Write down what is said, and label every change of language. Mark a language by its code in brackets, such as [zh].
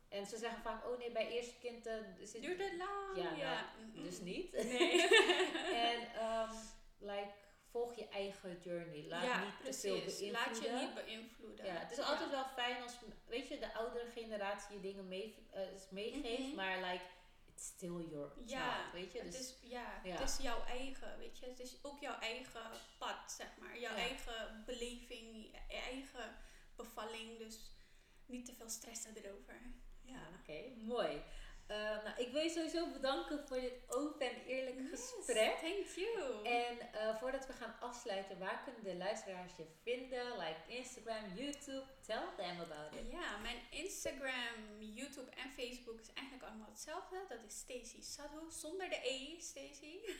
[nl] En ze zeggen vaak, oh nee, bij eerste kind duurt het lang. Ja, ja. Nou, dus niet. Nee. En volg je eigen journey. Laat niet precies. te veel beïnvloeden. Laat je niet beïnvloeden. Ja, het is altijd wel fijn als, weet je, de oudere generatie je dingen meegeeft. Mm-hmm. [en] Maar it's still your child, [nl] weet je. Dus, het is jouw eigen, weet je. Het is ook jouw eigen pad, zeg maar. Jouw eigen beleving, je eigen bevalling. Dus niet te veel stressen erover. Ja, oké, mooi. Ik wil je sowieso bedanken voor dit open en eerlijk gesprek. [en] Thank you. [nl] En voordat we gaan afsluiten, waar kunnen de luisteraars je vinden? [en] Instagram, YouTube, tell them about it. [nl] Ja, mijn Instagram, YouTube en Facebook is eigenlijk allemaal hetzelfde. Dat is Stacy Sadhoe, zonder de E, Stacy.